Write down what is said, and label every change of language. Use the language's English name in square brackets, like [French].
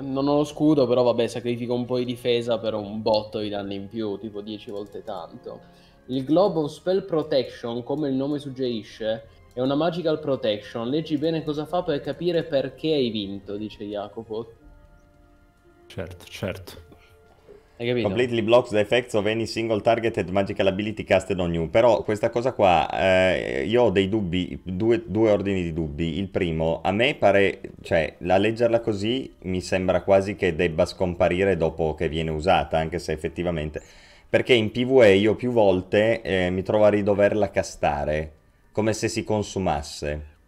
[Italian] Non ho lo scudo, però vabbè, sacrifico un po' di difesa per un botto di danni in più, tipo 10 volte tanto. Il Globe of Spell Protection, come il nome suggerisce, è una magical protection. Leggi bene cosa fa per capire perché hai vinto, dice Jacopo. Certo. Hai capito? [English] Completely blocks the effects of any single targeted magical ability casted on you. [Italian] Però questa cosa qua, io ho dei dubbi, due ordini di dubbi. Il primo, a me pare, cioè, la leggerla così mi sembra quasi che debba scomparire dopo che viene usata, anche se effettivamente... Perché in PvE io più volte mi trovo a ridoverla castare, come se si consumasse.